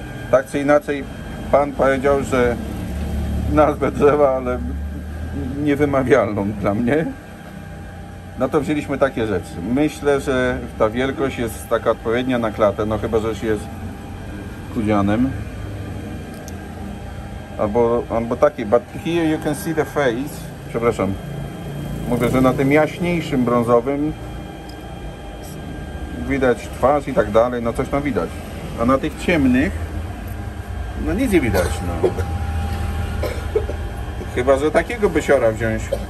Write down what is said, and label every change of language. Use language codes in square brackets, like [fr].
[pl] Tak czy inaczej, pan powiedział, że nazwę drzewa, ale niewymawialną dla mnie. No to wzięliśmy takie rzeczy. Myślę, że ta wielkość jest taka odpowiednia na klatę, no chyba, że się jest kudzianem. Albo taki, [en] but here you can see the face. [pl] Przepraszam. Mówię, że na tym jaśniejszym brązowym widać twarz i tak dalej, no coś tam widać. A na tych ciemnych no nic nie widać, no. Chyba, że takiego bysiora wziąć.